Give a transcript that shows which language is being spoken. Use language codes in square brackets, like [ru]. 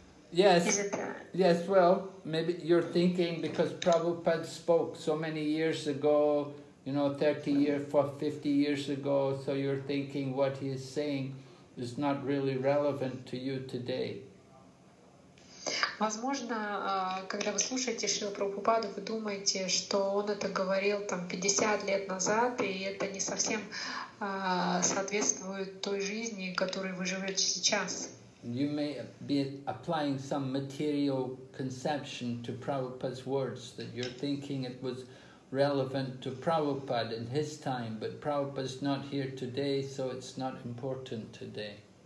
[en] Yes. Yes. Well, maybe you're thinking because Prabhupada spoke so many years ago, you know, 30 years, 50 years ago. So you're thinking what he is saying is not really relevant to you today. [ru] Возможно, когда вы слушаете Шрилу Прабхупаду, вы думаете, что он это говорил там 50 лет назад, и это не совсем соответствует той жизни, которой вы живете сейчас. [en] You may be applying some material conception to Prabhupada's words, that you're thinking it was relevant to Prabhupada in his time, but Prabhupada's not here today, so it's not important today.